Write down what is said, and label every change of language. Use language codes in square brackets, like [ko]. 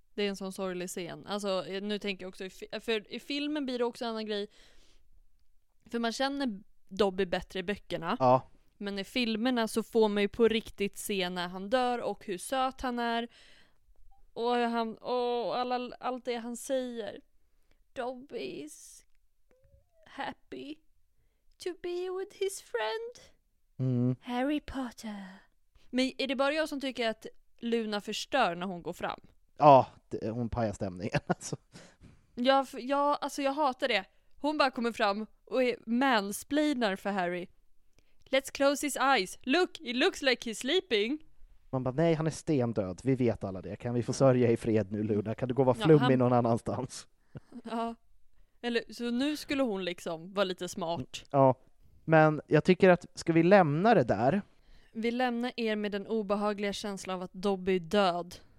[sv] Det är en sån sorglig scen. Alltså, nu tänker jag också, för i filmen blir det också en annan grej. För man känner Dobby bättre i böckerna. Ja. Men i filmerna så får man ju på riktigt se när han dör och hur söt han är. Och han, allt det han säger. [en] Dobby is happy to be with his friend. Mm. Harry Potter. [sv] Men är det bara jag som tycker att Luna förstör när hon går fram? Ja, hon pajar stämningen. Alltså. Jag hatar det. Hon bara kommer fram och är mansplainar för Harry. [en] Let's close his eyes. Look, it looks like he's sleeping. [sv] Man bara, nej, han är stendöd. Vi vet alla det. Kan vi få sörja i fred nu, Luna? Kan du gå och vara flummig någon annanstans? Ja. Eller, så nu skulle hon liksom vara lite smart. Ja. Men jag tycker att, ska vi lämna det där? Vi lämnar er med den obehagliga känslan av att Dobby är död.